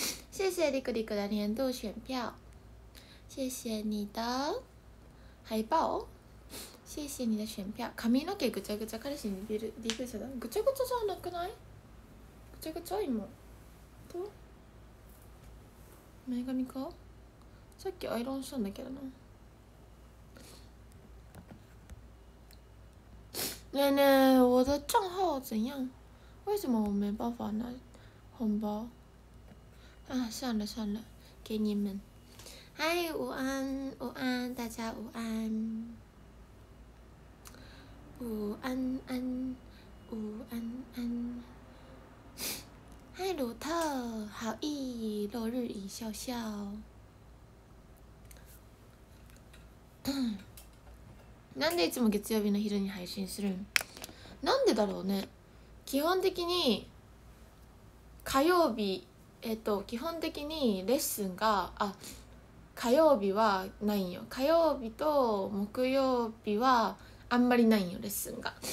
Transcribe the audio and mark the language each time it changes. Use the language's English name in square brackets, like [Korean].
[Chinese] 谢谢里格里格的年度选票。谢谢你的海报，谢谢你的选票。 [Japanese] 髪の毛ぐちゃぐちゃ彼氏に似てる、似てるじゃない？ぐちゃぐちゃじゃなくない？ぐちゃぐちゃ今。と？前髪か？さっきアイロンしたんだけどな。 [Chinese] ねえねえ、我的账号怎样？为什么我没办法拿红包？啊，算了算了，给你们。嗨，午安，午安，大家午安，午安安，午安安。嗨，鲁特，好意，落日已笑笑。 [Japanese] なんでいつも月曜日の昼に配信するん？なんでだろうね。基本的に火曜日、基本的にレッスンが、あ。火曜日はないよ。火曜日と木曜日はあんまりないよ、レッスンが。